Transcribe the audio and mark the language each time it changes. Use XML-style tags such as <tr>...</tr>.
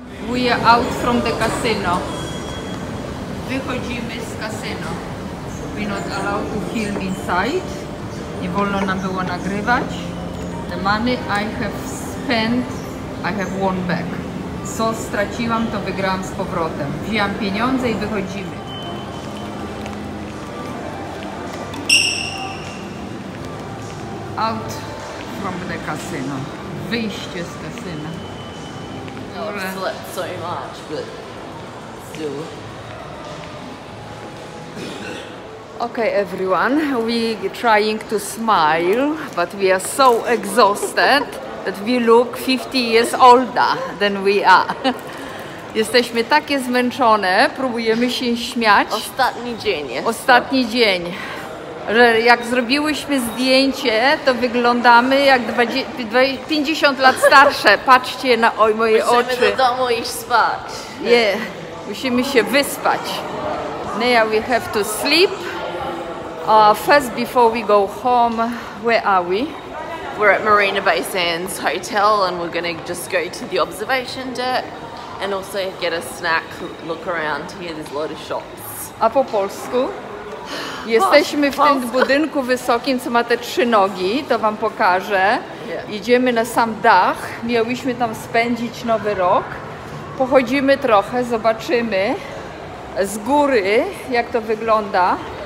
<en>We are out from the casino.</en> <pl>Wychodzimy z casino.</pl> <en>We're not allowed to film inside.</en> <pl>Nie wolno nam było nagrywać.</pl> <en>The money I have spent, I have won back.</en> <pl>Co straciłam, to wygrałam z powrotem. Wzięłam pieniądze i wychodzimy.</pl> <en>Out from the casino.</en> <pl>Wyjście z kasyna. Dobra.</pl> <en>I slept so much, but still. Okay, everyone. We trying to smile, but we are so exhausted. That we look 50 years older than we are.</en> <pl>Jesteśmy takie zmęczone, próbujemy się śmiać. Ostatni dzień jest. Ostatni dzień. Że jak zrobiłyśmy zdjęcie, to wyglądamy jak 50 lat starsze. Patrzcie na moje musimy oczy. Musimy do domu iść spać. Nie, yeah. Musimy się wyspać.</pl> <en>Now we have to sleep. First, before we go home, where are we? We're at Marina Bay Sands Hotel and we're gonna just go to the observation deck and also get a snack, look around here, there's a lot of shops.</en> <pl>A po polsku? Jesteśmy w tym budynku wysokim, co ma te trzy nogi, to wam pokażę.</pl> <en>Yeah.</en> <pl>Idziemy na sam dach, miałyśmy tam spędzić nowy rok. Pochodzimy trochę, zobaczymy z góry, jak to wygląda.</pl>